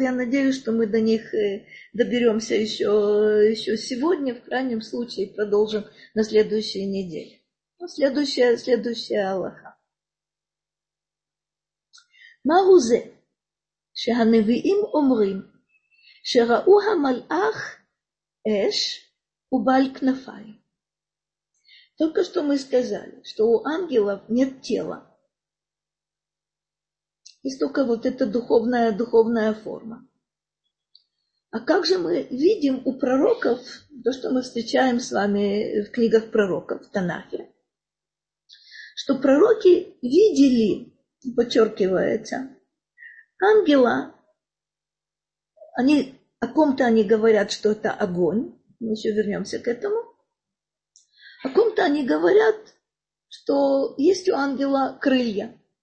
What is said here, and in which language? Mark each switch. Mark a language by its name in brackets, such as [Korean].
[Russian] Я надеюсь, что мы до них доберемся еще сегодня, в крайнем случае продолжим на следующей неделе. Следующая аллаха. [Hebrew] Магузе, шеханевиим омрим, שראו המלאך אש ובעל כנפיים. [Russian] Только что мы сказали, что у ангелов нет тела. Есть только вот эта духовная форма. А как же мы видим у пророков, то, что мы встречаем с вами в книгах пророков, в Танахе, что пророки видели, подчеркивается, ангела, они, о ком-то они говорят, что это огонь, мы еще вернемся к этому, о ком-то они говорят, что есть у ангела крылья.